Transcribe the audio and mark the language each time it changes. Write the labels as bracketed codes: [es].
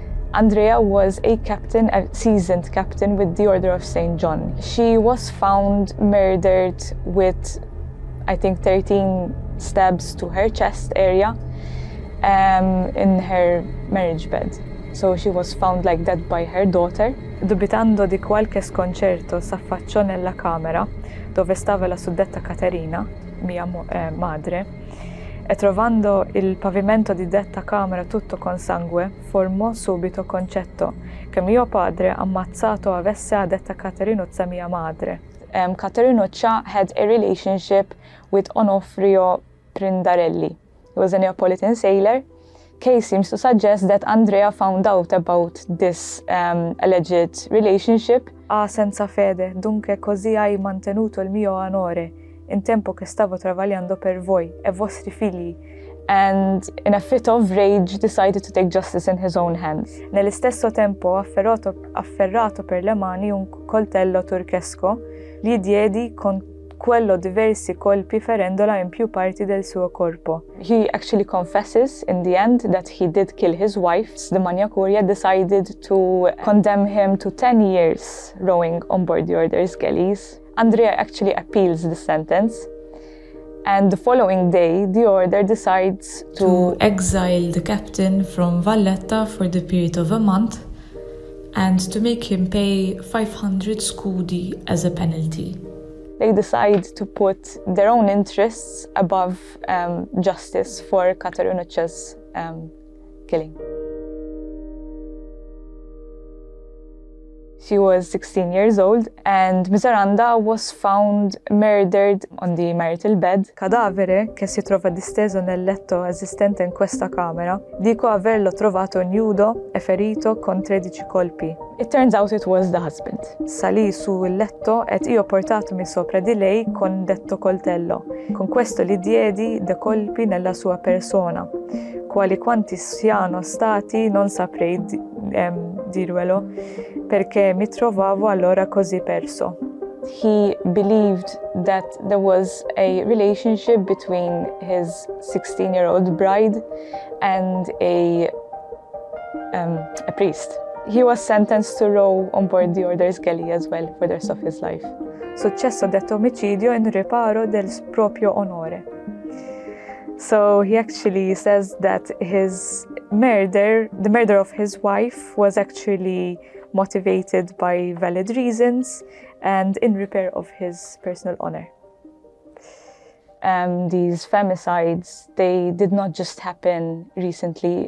[en] Andrea was a seasoned captain with the Order of St. John. She was found murdered with, I think, 13 stabs to her chest area in her marriage bed. So she was found like that by her daughter. [it] Dubitando di qualche sconcerto, s'affacciò nella camera dove stava la suddetta Caterina, mia madre, e trovando il pavimento di detta camera tutto con sangue, formò subito concetto che mio padre ammazzato avesse a detta Caterinuccia mia madre. [en] Caterinuccia had a relationship with Onofrio Prindarelli, who was a Neapolitan sailor. Kay seems to suggest that Andrea found out about this alleged relationship. [it] Ah, senza fede, dunque così hai mantenuto il mio onore in tempo che stavo travagliando per voi e vostri figli. [en] And in a fit of rage decided to take justice in his own hands. [it] Nello stesso tempo afferrato per le mani un coltello turchesco, gli diedi con quello diversi colpi ferendola in più parti del suo corpo. [en] He actually confesses in the end that he did kill his wife. The Maniacoria decided to condemn him to 10 years rowing on board the Order's galleys. Andrea actually appeals the sentence, and the following day the order decides to exile the captain from Valletta for the period of a month and to make him pay 500 scudi as a penalty. They decide to put their own interests above justice for Katarinuccia's killing. She was 16 years old, and Ms. Aranda was found murdered on the marital bed. [it] Cadavere che si trova disteso nel letto esistente in questa camera, dico averlo trovato nudo e ferito con 13 colpi. [en] It turns out it was the husband. [it] Salì sul letto e io portatomi sopra di lei con detto coltello. Con questo gli diedi dei colpi nella sua persona. Quali quanti siano stati non saprei dirvelo, perché mi trovavo allora così perso. [en] He believed that there was a relationship between his 16-year-old bride and a priest. He was sentenced to row on board the Order's galley as well for the rest of his life. [it] Successo detto omicidio in riparo del proprio onore. [en] So he actually says that the murder of his wife was actually motivated by valid reasons and in repair of his personal honor. These femicides, they did not just happen recently.